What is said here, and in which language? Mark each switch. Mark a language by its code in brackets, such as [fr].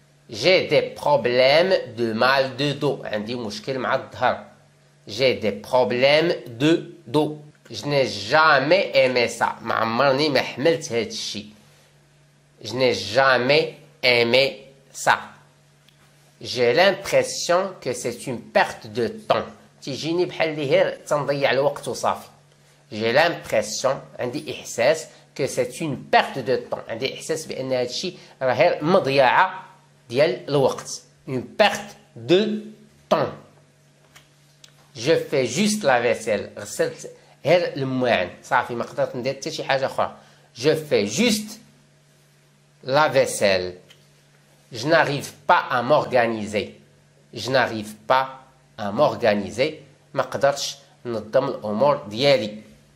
[fr] J'ai des problèmes de mal de dos. [ar] عندي مشكل مع الظهر. [fr] J'ai des problèmes de dos. Je n'ai jamais aimé ça. [ar] ما عمرني ما حملت هذا الشيء. [fr] Je n'ai jamais aimé ça. J'ai l'impression que c'est une perte de temps. [ar] تيجيني بحال اللي غير تنضيع الوقت وصافي. [fr] J'ai l'impression, [ar] عندي إحساس, [fr] que c'est une perte de temps. [ar] عندي إحساس بأن هذا الشيء راه غير مضيعة. ديال الوقت [fr] une perte de temps je fais juste la vaisselle [ar] غسلت غير المواعن صافي ما قدرت ندير حتى شي حاجه اخرى [fr] je fais juste la vaisselle je n'arrive pas à m'organiser je n'arrive pas à m'organiser [ar] ما قدرتش ننظم الامور ديالي